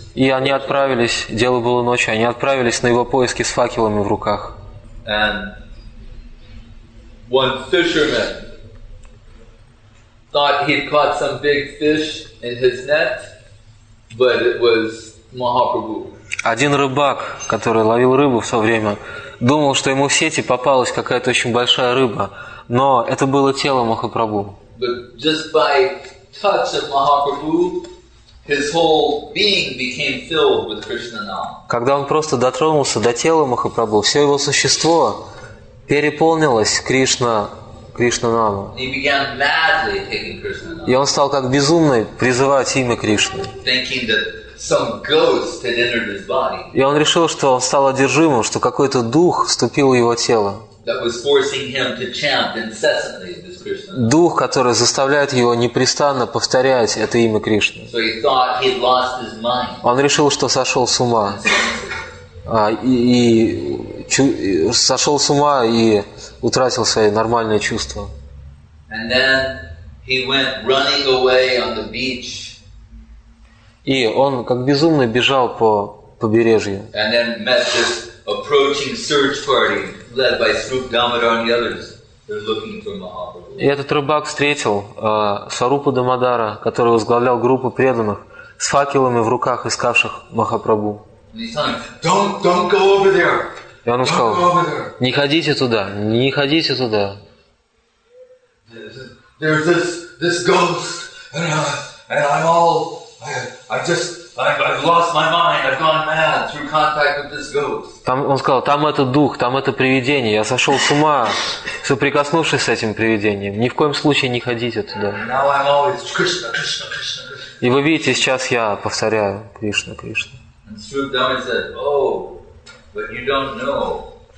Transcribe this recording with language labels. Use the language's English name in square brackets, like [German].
[Russian] И они отправились, дело было ночью, они отправились на его поиски с факелами в руках. [English] And one fisherman thought he'd caught some big fish in his net, but it was Mahaprabhu. [Russian] Один рыбак, который ловил рыбу в то время, думал, что ему в сети попалась какая-то очень большая рыба, но это было тело Махапрабху. [English] But just by touch of Mahaprabhu, his whole being became filled with Krishna now. [Russian] Когда он просто дотронулся до тела Махапрабху, все его существо переполнилось Кришна-нама. [English] He began madly taking Krishna-nama. [Russian] И он стал как безумный призывать имя Кришны. [English] Thinking that some ghost had entered his body. [Russian] И он решил, что он стал одержимым, что какой-то дух вступил в его тело. [English] That was forcing him to chant incessantly this Krishna. [Russian] Дух, который заставляет его непрестанно повторять это имя Кришны. [English] So he thought he lost his mind. [Russian] Он решил, что сошел с ума. Сошел с ума и утратил свои нормальные чувства. [English] And then he went running away on the beach. [Russian] И он как безумный бежал по побережью. [English] And then met this approaching search party led by Swarup Damodar and the others. They're looking for Mahaprabhu. [Russian] И этот рыбак встретил Сварупу Дамодара, который возглавлял группу преданных с факелами в руках, искавших Махапрабху. [English] And he said, don't go over there. [Russian] И он сказал: не ходите туда, не ходите туда. [English] There's this ghost I've lost my mind. I've gone mad through contact with this ghost. [Russian] Там он сказал: там этот дух, там это привидение. Я сошел с ума, соприкоснувшись с этим привидением. Ни в коем случае не ходите туда. [English] And now I'm always Krishna, Krishna, Krishna, Krishna. [Russian] И вы видите, сейчас я повторяю Кришна, Кришна. [English] And Swarup Damodar said, "Oh, but you don't know.